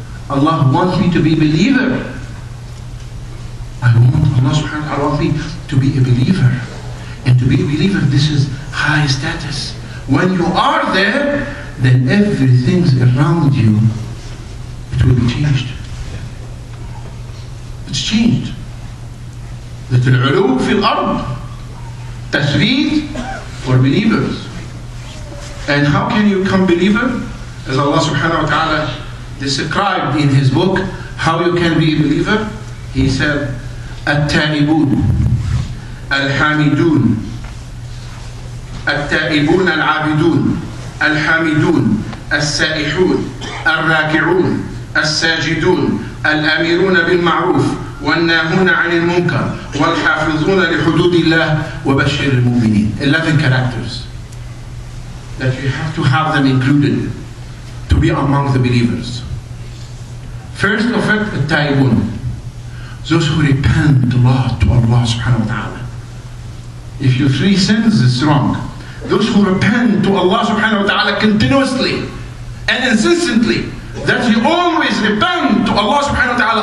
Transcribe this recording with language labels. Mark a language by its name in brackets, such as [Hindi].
[English] Allah wants me to be a believer. Allah subhanahu wa ta'ala wants me to be a believer. And to be a believer, this is high status. When you are there, then everything around you, it will be changed. It's changed. That [Arabic] العلو في الأرض تثبيت [English] for believers. And how can you become believer? As Allah subhanahu wa ta'ala described in his book, how you can be a believer? He said, [Arabic] التائبون الحامدون التائبون العابدون الحامدون السائحون الراكعون الساجدون الأميرون بالمعروف والناهون عن المنكر والحافظون لحدود الله وبشر المؤمنين. [English] 11 characters that you have to have them included to be among the believers. First of it, التائبون, those who repent a lot to Allah subhanahu wa ta'ala. If you 3 sins, it's wrong. Those who repent to Allah subhanahu wa ta'ala continuously and insistently, that you always repent to Allah subhanahu wa ta'ala.